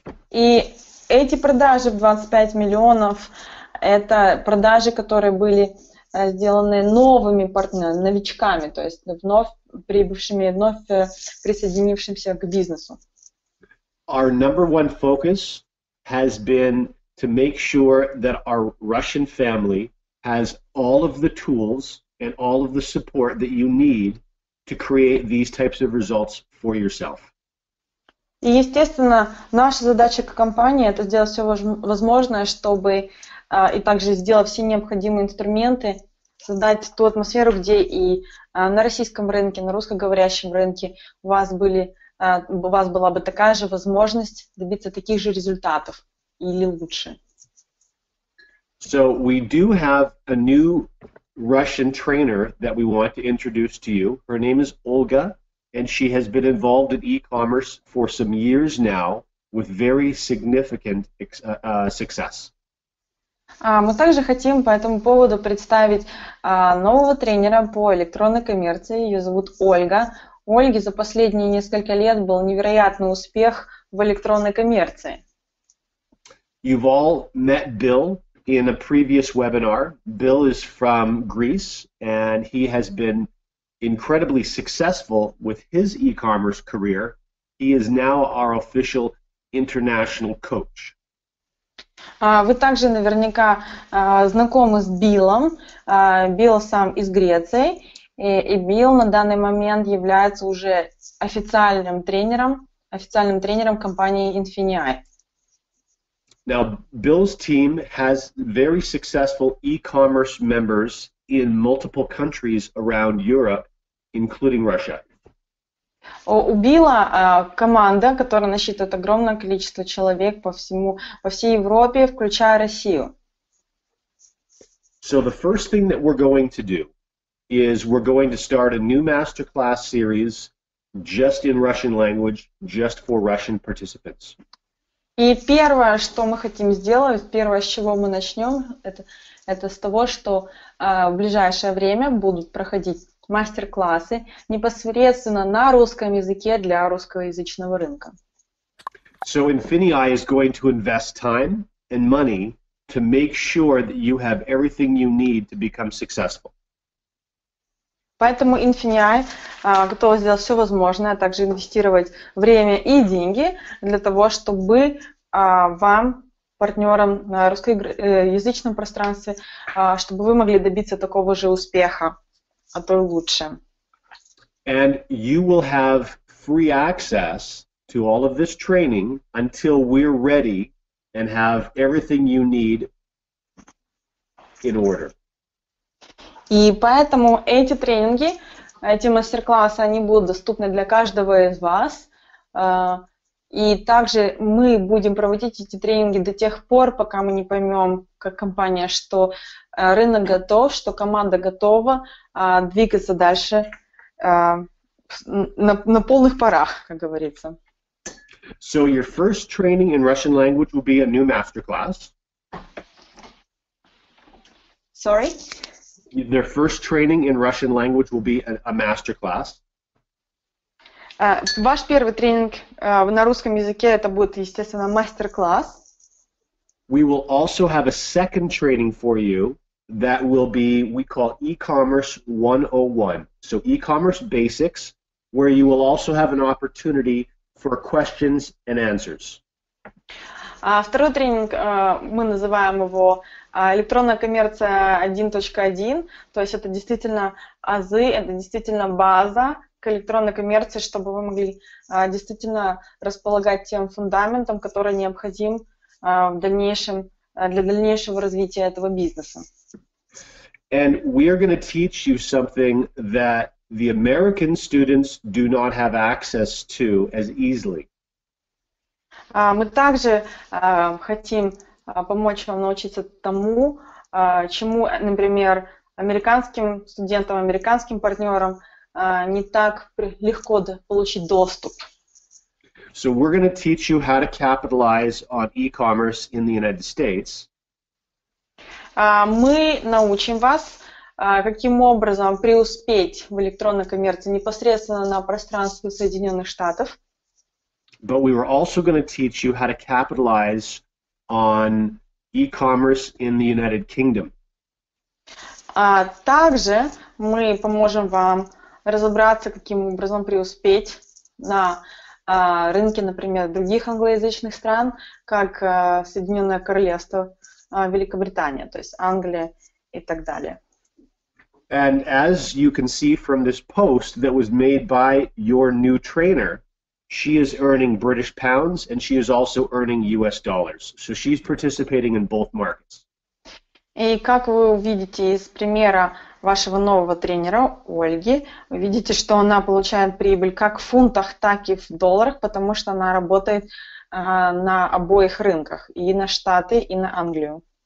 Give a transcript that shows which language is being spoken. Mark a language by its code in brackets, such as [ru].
[ru] И эти продажи в 25 миллионов, это продажи, которые были сделаны новыми партнерами, новичками, то есть вновь прибывшими, вновь присоединившимся к бизнесу. [en] Our number one focus has been to make sure that our Russian family has all of the tools and all of the support that you need to create these types of results for yourself. [ru] И, естественно, наша задача как компании – это сделать все возможное, чтобы и также сделать все необходимые инструменты, создать ту атмосферу, где и на российском рынке, на русскоговорящем рынке у вас были, у вас была бы такая же возможность добиться таких же результатов или лучше. [en] So we do have a new Russian trainer that we want to introduce to you. Her name is Olga, and she has been involved in e-commerce for some years now with very significant success. [ru] Мы также хотим по этому поводу представить нового тренера по электронной коммерции. Ее зовут Ольга. У Ольги за последние несколько лет был невероятный успех в электронной коммерции. [en] You've all met Bill in a previous webinar. Bill is from Greece, and he has been incredibly successful with his e-commerce career. He is now our official international coach. [ru] Вы также наверняка знакомы с Биллом. Билл сам из Греции, и Билл на данный момент является уже официальным тренером компании Infinii. [en] Now, Bill's team has very successful e-commerce members in multiple countries around Europe, including Russia. [ru] У Билла команда, которая насчитывает огромное количество человек по всей Европе, включая Россию. [en] So the first thing that we're going to do is we're going to start a new masterclass series just in Russian language, just for Russian participants. [ru] И первое, что мы хотим сделать, первое, с чего мы начнем, это с того, что в ближайшее время будут проходить мастер-классы непосредственно на русском языке для русскоязычного рынка. [en] So Infinii is going to invest time and money to make sure that you have everything you need to become successful. [ru] Поэтому Infinii готова сделать все возможное, а также инвестировать время и деньги для того, чтобы вам, партнерам на русскоязычном пространстве, чтобы вы могли добиться такого же успеха, а то и лучше. [en] And you will have free access to all of this training until we're ready and have everything you need in order. [ru] И поэтому эти тренинги, эти мастер-классы, они будут доступны для каждого из вас. И также мы будем проводить эти тренинги до тех пор, пока мы не поймем, как компания, что рынок готов, что команда готова двигаться дальше на полных парах, как говорится. [en] So your first training in Russian language will be a new masterclass. Sorry? Their first training in Russian language will be a masterclass. [ru] Ваш первый тренинг на русском языке это будет, естественно, мастер-класс. [en] We will also have a second training for you that will be, we call e-commerce 101. So e-commerce basics, where you will also have an opportunity for questions and answers. [ru] Второй тренинг мы называем его «Электронная коммерция 1.1». То есть это действительно азы, это действительно база к электронной коммерции, чтобы вы могли действительно располагать тем фундаментом, который необходим в дальнейшем, для дальнейшего развития этого бизнеса. [en] And we are going to teach you something that the American students do not have access to as easily. [ru] Мы также хотим помочь вам научиться тому, чему, например, американским студентам, американским партнерам не так легко получить доступ. [en] So we're going to teach you how to capitalize on e-commerce in the United States. [ru] Мы научим вас, каким образом преуспеть в электронной коммерции непосредственно на пространстве Соединенных Штатов. [en] But we were also going to teach you how to capitalize on e-commerce in the United Kingdom. [ru] Также мы поможем вам разобраться, каким образом преуспеть на рынке, например, других англоязычных стран, как Соединенное Королевство, Великобритания, то есть Англия и так далее. [en] And as you can see from this post that was made by your new trainer, she is earning British pounds, and she is also earning US dollars. So she's participating in both markets. [ru] И как вы увидите из примера вашего нового тренера, Ольги, вы видите, что она получает прибыль как в фунтах, так и в долларах, потому что она работает на обоих рынках, и на Штаты, и на Англию.